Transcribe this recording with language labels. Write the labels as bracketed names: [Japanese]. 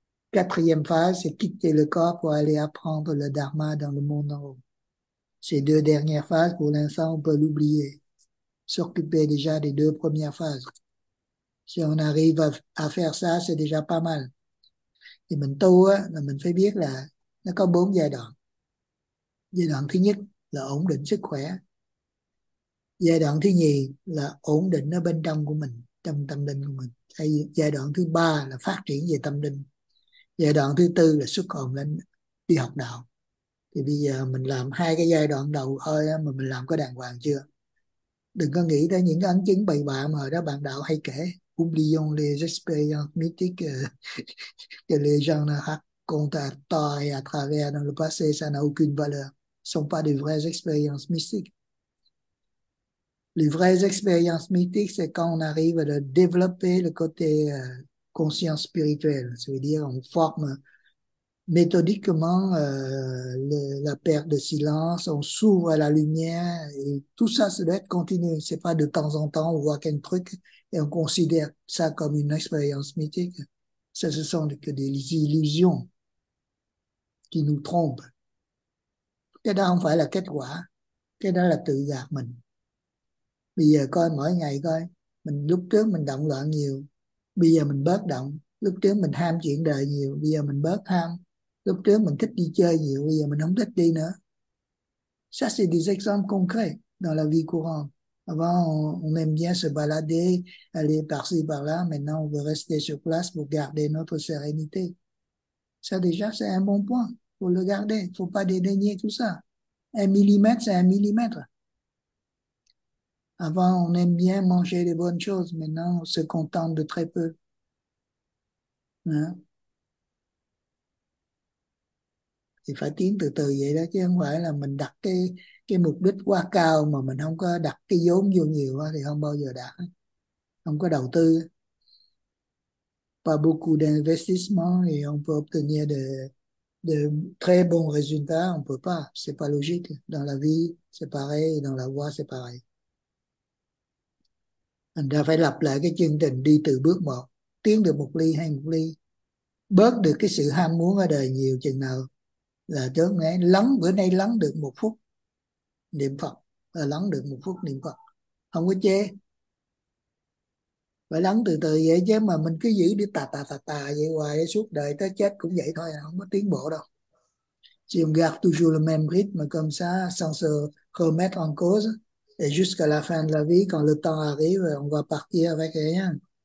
[French] Quatrième phase, c'est quitter le corps pour aller apprendre le dharma dans le monde en haut. Ces deux dernières phases, pour l'instant, on peut l'oublier. S'occuper déjà des deux premières phases. Si on arrive à faire ça, c'est déjà pas mal. [Vietnamese] Et mình tu á, là mình phải biết là nó có 4 giai đoạn. Giai đoạn thứ nhất là ổn định sức khỏe. Giai đoạn thứ nhì là ổn định ở bên trong của mình, trong tâm linh của mình. Hay giai đoạn thứ ba là phát triển về tâm linh. Giai đoạn thứ tư là xuất hồn lên đi học đạo. Thì bây giờ mình làm 2 cái giai đoạn đầu thôi á, mà mình làm có đàng hoàng chưa? Đừng có nghĩ tới những cái ấn chứng bậy bạ mà đó bạn đạo hay kể. [French] Oublions les expériences mythiques que les gens racontent à tort et à travers dans le passé, ça n'a aucune valeur. Ce ne sont pas des vraies expériences mystiques. Les vraies expériences mythiques, c'est quand on arrive à développer le côté conscience spirituelle. Ça veut dire on forme méthodiquement la perte de silence, on s'ouvre à la lumière et tout ça doit être continu. C'est pas de temps en temps, on voit qu'un truc et on considère ça comme une expérience mythique. Ça, ce sont que des illusions qui nous trompent. [Vietnamese] Cái đó không phải là kết quả, cái đó là tự gạt mình. Bây giờ coi mỗi ngày coi, mình lúc trước mình động loạn nhiều, bây giờ mình bớt động. Lúc trước mình ham chuyện đời nhiều, bây giờ mình bớt ham. Lúc trước mình thích đi chơi nhiều, bây giờ mình không thích đi nữa. [French] Ça, c'est des exemples concrets dans la vie courante. Avant, on aime bien se balader, aller par-ci, par-là. Maintenant, on veut rester sur place pour garder notre sérénité. Ça, déjà, c'est un bon point. Faut le garder. Faut pas dédaigner tout ça. Un millimètre, c'est un millimètre. Avant, on aime bien manger les bonnes choses. Maintenant, on se contente de très peu. Hein? [Vietnamese] Thì phải tiến từ từ vậy đó, chứ không phải là mình đặt cái mục đích quá cao mà mình không có đặt cái vốn vô nhiều quá thì không bao giờ đạt, không có đầu tư. [French] Pas beaucoup d'investissement et on peut obtenir de très bons résultats, on peut pas, c'est pas logique. Dans la vie c'est pareil, dans la voie c'est pareil. [Vietnamese] Mình ta phải lặp lại cái chương trình đi từ bước một, tiến được một ly hay một ly, bớt được cái sự ham muốn ở đời nhiều chừng nào là chớ nghe lắng, bữa nay lắng được một phút niệm Phật, là lắng được một phút niệm Phật, không có chê, phải lắng từ từ vậy. Chứ mà mình cứ giữ đi tà vậy hoài suốt đời tới chết cũng vậy thôi, không có tiến bộ đâu. [French] Si on garde toujours le même rythme comme ça, sans se remettre en cause, et jusqu'à la fin de la vie, quand le temps arrive, on va partir avec rien.